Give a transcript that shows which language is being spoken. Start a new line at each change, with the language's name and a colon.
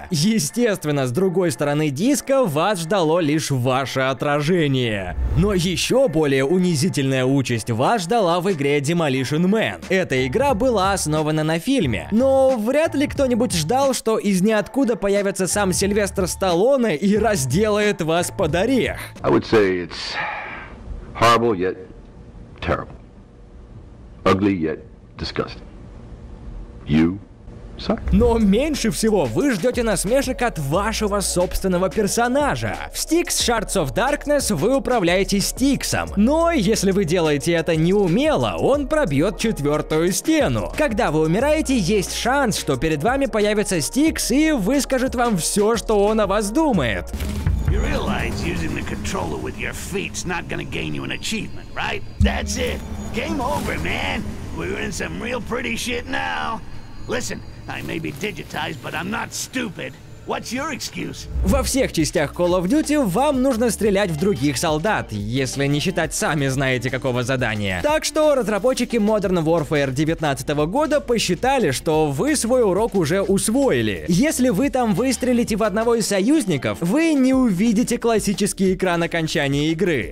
Russian: Естественно, с другой стороны диска вас ждало лишь ваше отражение. Но еще более унизительная участь вас ждала в игре Demolition Man. Эта игра была основана на фильме. Но вряд ли кто-нибудь ждал, что из ниоткуда появится сам Сильвестр Сталлоне и разделает вас под орех.
English: I would say it's horrible, yet terrible. Ugly, yet disgusting. You,
Russian: Но меньше всего вы ждете насмешек от вашего собственного персонажа. В Styx Shards of Darkness вы управляете Styx'ом. Но если вы делаете это неумело, он пробьет четвертую стену. Когда вы умираете, есть шанс, что перед вами появится Styx и выскажет вам все, что он о вас думает.
English: You realize using the controller with your feet's not gonna gain you an achievement, right? That's it. Game over, man. We're in some real pretty shit now. Listen, I may be digitized, but I'm not stupid. What's your excuse?
Russian: Во всех частях Call of Duty вам нужно стрелять в других солдат, если не считать сами знаете какого задания. Так что разработчики Modern Warfare 19 года посчитали, что вы свой урок уже усвоили. Если вы там выстрелите в одного из союзников, вы не увидите классический экран окончания игры.